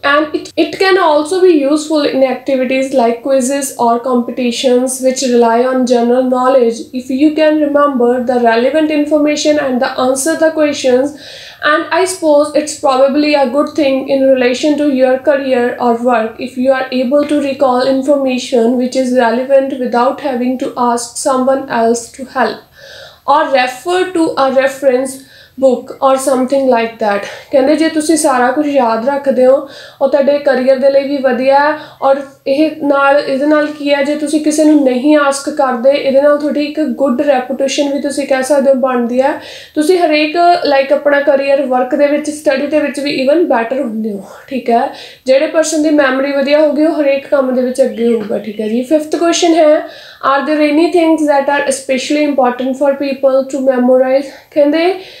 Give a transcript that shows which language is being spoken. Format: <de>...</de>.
<en>And it can also be useful in activities like quizzes or competitions which rely on general knowledge if you can remember the relevant information and the answer the questions. And I suppose it's probably a good thing in relation to your career or work if you are able to recall information which is relevant without having to ask someone else to help or refer to a reference book or something like that.</en> <pa>ਕਹਿੰਦੇ ਜੇ ਤੁਸੀਂ ਸਾਰਾ ਕੁਝ ਯਾਦ ਰੱਖਦੇ ਹੋ ਉਹ ਤੁਹਾਡੇ ਕਰੀਅਰ ਦੇ ਲਈ ਵੀ ਵਧੀਆ ਔਰ ਇਹ ਨਾਲ ਇਹਦੇ ਨਾਲ ਕੀ ਹੈ ਜੇ ਤੁਸੀਂ ਕਿਸੇ ਨੂੰ ਨਹੀਂ ਆਸਕ ਕਰਦੇ ਇਹਦੇ ਨਾਲ ਤੁਹਾਡੀ ਇੱਕ ਗੁੱਡ ਰੈਪੂਟੇਸ਼ਨ ਵੀ ਤੁਸੀਂ ਕਹਿ ਸਕਦੇ ਹੋ ਬਣਦੀ ਹੈ ਤੁਸੀਂ ਹਰੇਕ ਲਾਈਕ ਆਪਣਾ ਕਰੀਅਰ ਵਰਕ ਦੇ ਵਿੱਚ ਸਟੱਡੀ ਦੇ ਵਿੱਚ ਵੀ ਈਵਨ ਬੈਟਰ ਹੁੰਦੇ ਹੋ ਠੀਕ ਹੈ ਜਿਹੜੇ ਪਰਸਨ ਦੀ ਮੈਮਰੀ ਵਧੀਆ ਹੋਊਗੀ ਉਹ ਹਰੇਕ ਕੰਮ ਦੇ ਵਿੱਚ ਅੱਗੇ ਹੋਊਗਾ ਠੀਕ ਹੈ ਜੀ ਫਿਫਥ ਕੁਐਸਚਨ ਹੈ</pa> <en>are there any things that are specially important for people to memorize</en> <pa>ਕਹਿੰਦੇ</pa>